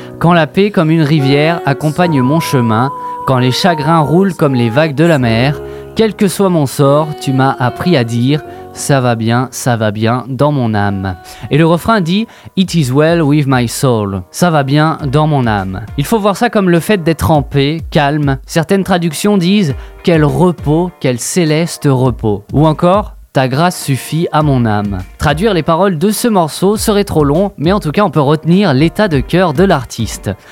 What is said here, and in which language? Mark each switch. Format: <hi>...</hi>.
<fr>Quand la paix comme une rivière accompagne mon chemin, quand les chagrins roulent comme les vagues de la mer, quel que soit mon sort, tu m'as appris à dire ça va bien dans mon âme. Et le refrain dit</fr> <en>It is well with my soul.</en> <fr>Ça va bien dans mon âme. Il faut voir ça comme le fait d'être en paix, calme. Certaines traductions disent quel repos, quel céleste repos. Ou encore ta grâce suffit à mon âme. Traduire les paroles de ce morceau serait trop long, mais en tout cas, on peut retenir l'état de cœur de l'artiste.</fr>